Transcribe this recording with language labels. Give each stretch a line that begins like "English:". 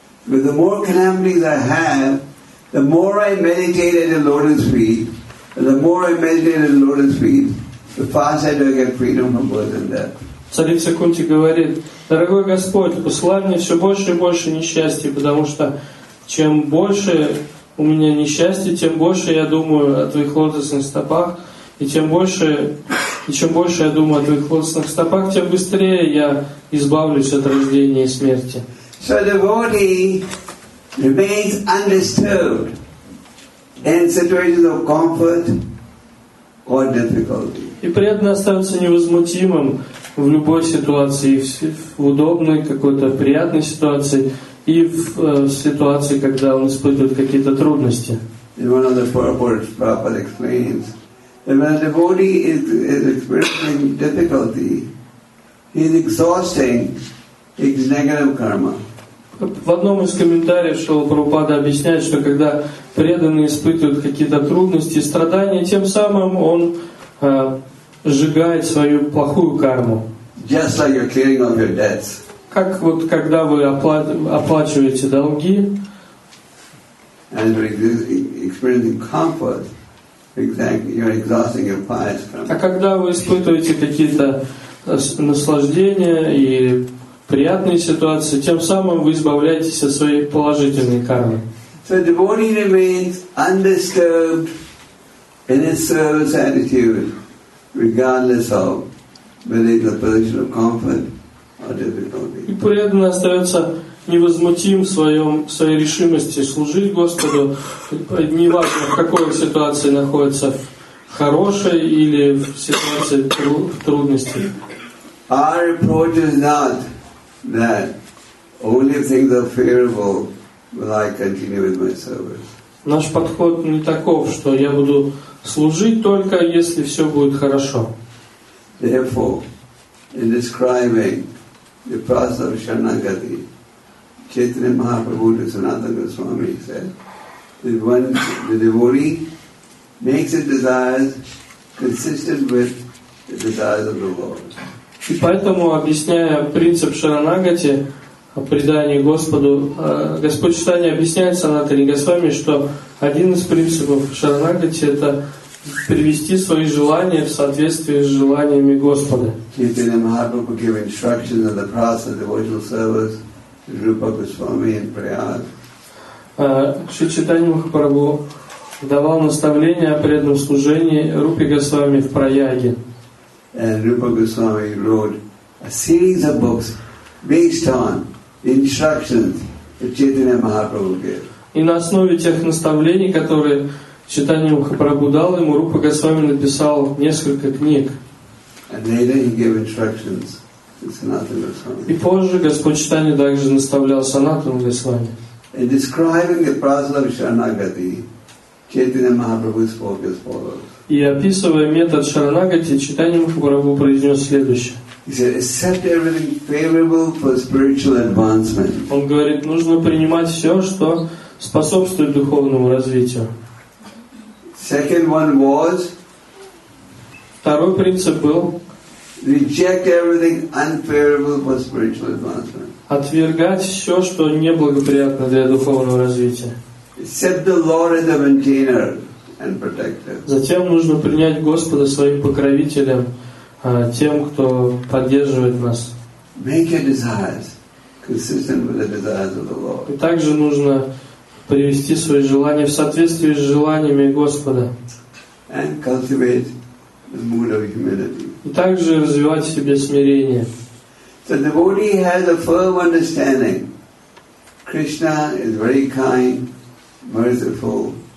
English: But the more calamities I have, the more I meditate at the Lord's feet, and the more I meditate at the Lord's feet, the faster do I get freedom from birth and death.
Russian: Царица Кунти говорит: «Дорогой Господь, посылай мне все больше и больше несчастья, потому что чем больше у меня несчастья, тем больше я думаю о твоих лотосных стопах, тем быстрее я избавлюсь от рождения и смерти».
English: So the body remains undisturbed in situations of comfort or difficulty.
Russian: И преданный остается невозмутимым в любой ситуации, в удобной, какой-то приятной ситуации и в ситуации, когда он испытывает какие-то трудности.
English: In one of the purports, Prabhupada explains that when a devotee is experiencing difficulty, he is exhausting his negative karma.
Russian: В одном из комментариев Шрила Прабхупада объясняет, что когда преданный испытывает какие-то трудности, страдания, тем самым он сжигает свою плохую карму.
English: Just like you're clearing off your debts.
Russian: Как вот когда вы оплачиваете долги.
English: And experiencing comfort, exactly, you're exhausting your pious karma.
Russian: А когда вы испытываете какие-то наслаждения и приятные ситуации, тем самым вы избавляетесь от своей положительной кармы.
English: So the devotee remains undisturbed in his service attitude, regardless of whether it's a position of comfort or difficulty.
Russian: И преданный остается невозмутим в своей решимости служить Господу, неважно, в какой ситуации находится, в хорошей или в ситуации трудности.
English: Our approach is not that only if things are favorable will I continue with my service.
Russian: Наш подход не таков, что я буду служить только если все будет хорошо.
English: Therefore, in describing the process of Shanagati, Chaitanya Mahaprabhu to Sanatana Goswami said that when the devotee makes his desires consistent with the desires of the Lord.
Russian: И поэтому, объясняя принцип Шаранагати, о предании Господу, Господь Читания объясняет Санатане Госвами, что один из принципов Шаранагати — это привести свои желания в соответствие с желаниями Господа.
English: Chaitanya Mahaprabhu gave instructions on the process of devotional service to Rupa Goswami and Prayad.
Russian: Шри Читания Махапрабху давал наставления о преданном служении Рупе Госвами в Праяге.
English: And Rupa Goswami wrote a series of books based on instructions that Chaitanya Mahaprabhu gave.
Russian: И на основе тех наставлений, которые Чайтанья Махапрабху дал ему, Рупа Госвами написал несколько книг.
English: And later he gave instructions to Sanatana Goswami.
Russian: И позже Господь Чайтанья также наставлял Санатану Госвами.
English: In describing the process of Sharanagati, Chaitanya Mahaprabhu spoke as follows.
Russian: И описывая метод Шаранагати, Чайтанья Махапрабху произнес следующее.
English: He said, accept everything favorable for spiritual advancement.
Russian: Он говорит, нужно принимать все, что способствует духовному развитию.
English: Second one was.
Russian: Второй принцип был.
English: Reject everything unfavorable for spiritual advancement.
Russian: Отвергать все, что неблагоприятно для духовного развития.
English: Accept the Lord as a maintainer. And protected.
Russian: Затем нужно принять Господа своим покровителем, тем, кто поддерживает нас.
English: Make your desires consistent with the desires of the Lord.
Russian: И также нужно привести свои желания в соответствии с желаниями Господа.
English: And cultivate the mood of humility.
Russian: И также развивать в себе смирение.
English: So the devotee has a firm understanding. Krishna is very kind, merciful.